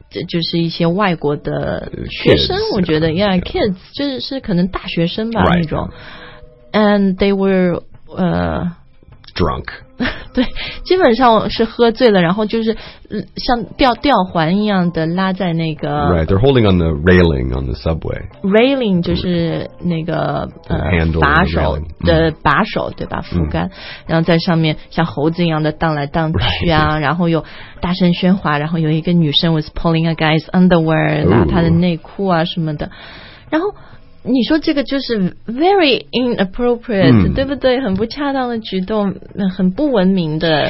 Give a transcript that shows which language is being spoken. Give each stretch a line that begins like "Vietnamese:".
Chinese: 就是一些外国的学生
English: kids,
Chinese: 我觉得 yeah,
English: yeah,
Chinese: kids, 就是可能大学生吧、
English: right.
Chinese: 那种。
English: And they were, drunk.
Chinese: 对，基本上是喝醉了，然后就是像吊环一样的拉在那个
English: Right, they're holding on the railing on the subway.
Chinese: Railing 就是那个
English: handle,
Chinese: 把手的把手对吧，扶杆、然后在上面像猴子一样的荡来荡去啊、
English: right.
Chinese: 然后有大声喧哗，然后有一个女生
English: was pulling a guy's underwear
Chinese: 拉他的内裤啊什么的。然后你说这个就是
English: very inappropriate、
Chinese: 对不对，很不恰当的举动，很不文明的、